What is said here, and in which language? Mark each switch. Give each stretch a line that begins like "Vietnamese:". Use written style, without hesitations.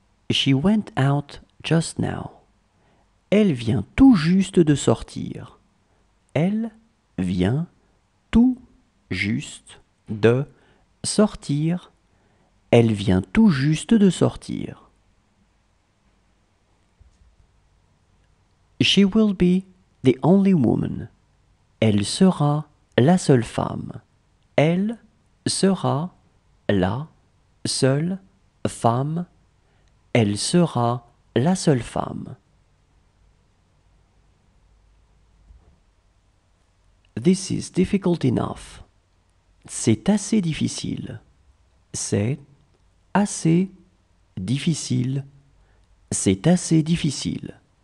English: She went out just now.
French: Elle vient tout juste de sortir. Elle vient tout juste de sortir. Elle vient tout juste de sortir.
English: She will be the only woman.
French: Elle sera la seule femme. Elle sera la seule femme. Elle sera la seule femme.
English: This is difficult enough.
French: C'est assez difficile. C'est assez difficile. C'est assez difficile.